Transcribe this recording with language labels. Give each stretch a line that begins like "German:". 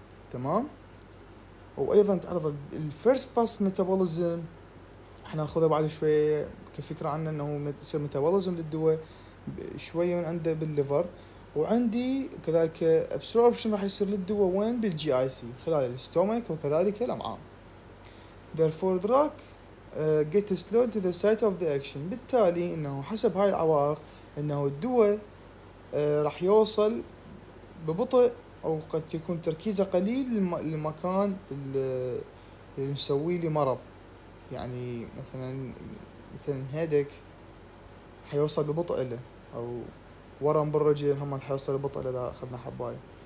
Arabic: تمام، وايضا تعرض الفيرست باس ميتابوليزم احنا ناخذها بعد شوي كفكره عنه انه يصير متابوليزم للدواء شويه من عنده بالليفر، وعندي كذلك ابسوربشن راح يصير للدواء وين بالجي اي سي خلال الاستومك وكذلك الامعاء.
English: therefore drug get slowed to the site of the action.
Arabic: بالتالي انه حسب هاي العوائق انه الدواء راح يوصل ببطء او قد يكون تركيزه قليل للمكان اللي مسوي لي مرض، يعني مثلا هيدك حيوصل ببطء له، او ورم بالرجل هم حيوصل ببطء اذا اخذنا حباي.